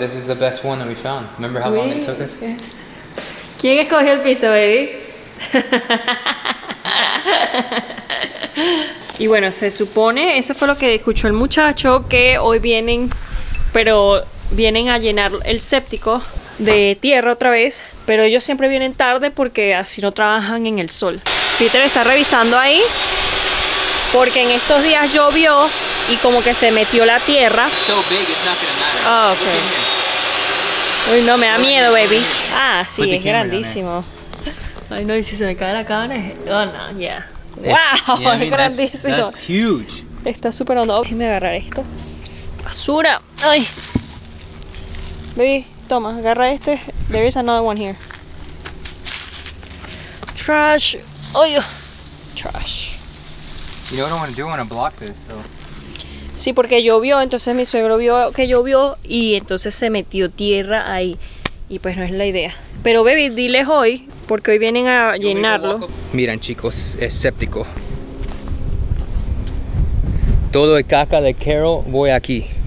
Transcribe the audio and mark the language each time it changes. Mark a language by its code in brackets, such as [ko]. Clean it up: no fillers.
[en] This is the best one that we found. Remember how long it took us? [es] ¿Quién escogió el piso, baby? Y bueno, se supone, eso fue lo que escuchó el muchacho, que hoy vienen, pero vienen a llenar el séptico de tierra otra vez. Pero ellos siempre vienen tarde porque así no trabajan en el sol. Peter está revisando ahí, porque en estos días llovió y como que se metió la tierra. [en] So big, it's not gonna matter. Oh, okay. [es] Uy, no, me da miedo, baby. Ah, sí, es grandísimo. Ay, no, y si se me cae la cámara, oh, no, yeah. [en] Wow, yeah, I mean, [es] es grandísimo. [en] That's huge. [es] Está súper hondo. Déjame agarrar esto. Basura. Ay. Baby, toma, agarra este. [en] There is another one here. Trash. Ay, trash. You know what I want to do? I want to block this, so. [es] Sí, porque llovió, entonces mi suegro vio que llovió y entonces se metió tierra ahí. Y pues no es la idea. Pero baby, diles hoy, porque hoy vienen a llenarlo. Miren chicos, es séptico. Todo el caca de Carol voy aquí.